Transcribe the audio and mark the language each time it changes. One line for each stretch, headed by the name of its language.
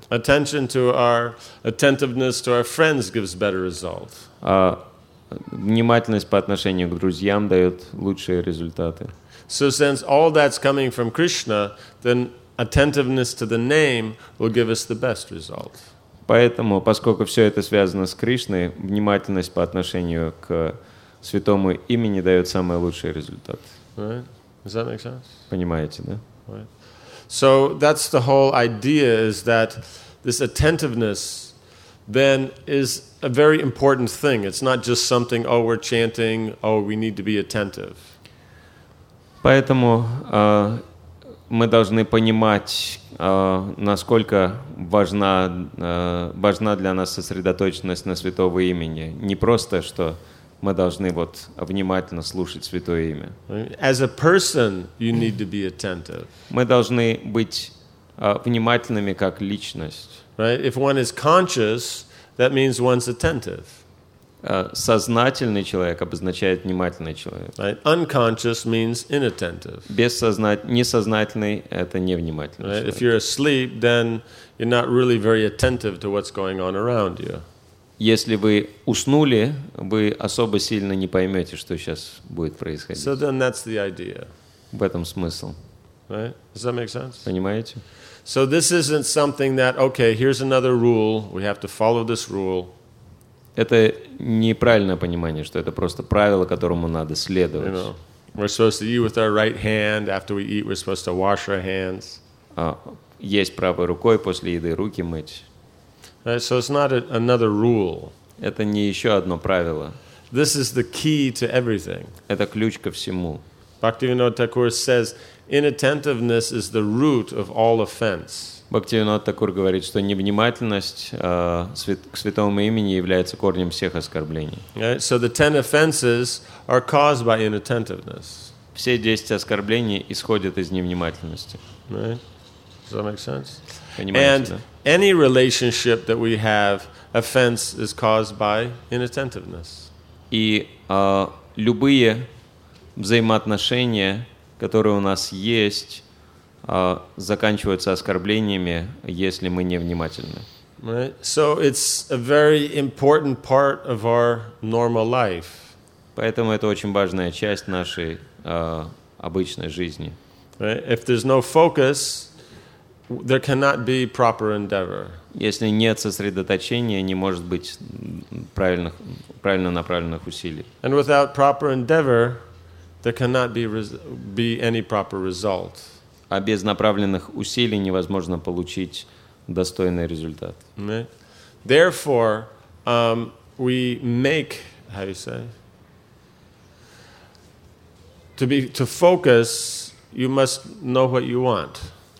English: Attention to our attentiveness to our friends gives better results.
Russian: Внимательность по отношению к друзьям дает лучшие результаты.
English: So since all that's coming from Krishna, then attentiveness to the name will give us the best result.
Russian: Поэтому, поскольку все это связано с Кришной, внимательность по отношению к святому имени дает самый лучший результат.
English: Right. Does that make sense?
Russian: Понимаете, да?
English: Right. So that's the whole idea, is that this attentiveness then is a very important thing. It's not just something, oh, we're chanting, oh, we need to be attentive.
Russian: Поэтому мы должны понимать, насколько важна для нас сосредоточенность на святого имени. Не просто, что мы должны вот внимательно слушать святое имя.
English: As a person, you need to be attentive.
Russian: Мы должны быть внимательными как личность.
English: Right? If one is conscious, that means one's attentive.
Russian: Сознательный человек обозначает внимательный человек.
English: Right? Unconscious means inattentive.
Russian: Несознательный – это невнимательный человек.
English: If you're asleep, then you're not really very attentive to what's going on around you.
Russian: Если вы уснули, вы особо сильно не поймете, что сейчас будет происходить.
English: So then that's the idea.
Russian: В этом смысл.
English: Right? Does that make sense?
Russian: Понимаете?
English: So this isn't something that, okay, here's another rule, we have to follow this rule.
Russian: Это неправильное понимание, что это просто правило, которому надо следовать.
English: You know, we're supposed to eat with our right hand, after we eat we're supposed to wash our hands.
Russian: Есть правой рукой, после еды руки мыть.
English: Right, so it's not another rule.
Russian: Это не еще одно правило.
English: This is the key to everything.
Russian: Это ключ ко всему.
English: Bhaktivinoda Thakur says, inattentiveness is the root of all offense.
Russian: Бхактивинода Такур говорит, что невнимательность к святому имени является корнем всех оскорблений.
English: Right, so the 10 offenses are caused by inattentiveness.
Russian: Все 10 оскорблений исходят из невнимательности.
English: Right. Does that make sense?
Russian: Понимаете,
English: and
Russian: да?
English: Any relationship that we have, offense is caused by inattentiveness.
Russian: И любые взаимоотношения, которые у нас есть, заканчиваются оскорблениями, если мы невнимательны.
English: Right. So it's a very important part of our normal life.
Russian: Поэтому это очень важная часть нашей обычной жизни.
English: Right. If there's no focus, there cannot be proper endeavor.
Russian: Если нет сосредоточения, не может быть правильно направленных усилий.
English: And without proper endeavor, there cannot be any proper result.
Russian: А без направленных усилий невозможно получить достойный результат.
English: Therefore, we make, how you say, to focus, you must know what you want.